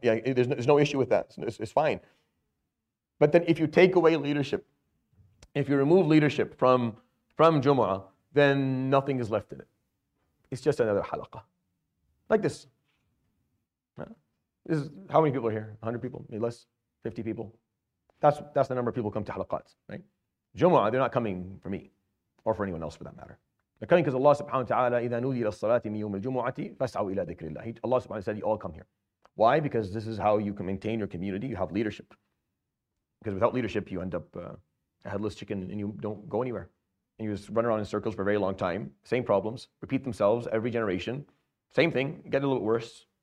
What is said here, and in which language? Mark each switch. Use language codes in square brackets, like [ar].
[en] There's no issue with that. It's fine. But then if you take away leadership, if you remove leadership from Jumu'ah, then nothing is left in it. It's just another halaqah. Like this. This is, how many people are here? 100 people? Maybe less? 50 people? That's the number of people who come to halaqat, right? Jumu'ah, they're not coming for me or for anyone else for that matter. They're coming because Allah subhanahu wa ta'ala, [ar] إِذَا نُودِيَ لَصَّلَاتِ مِيُّمِ الْجُمُعَةِ فَاسْعَوْا إِلَىٰ ذِكْرِ اللَّهِ. [en] Allah subhanahu wa ta'ala said, you all come here. Why? Because this is how you can maintain your community. You have leadership. Because without leadership, you end up a headless chicken and you don't go anywhere. And you just run around in circles for a very long time. Same problems. Repeat themselves every generation. Same thing. Get a little bit worse.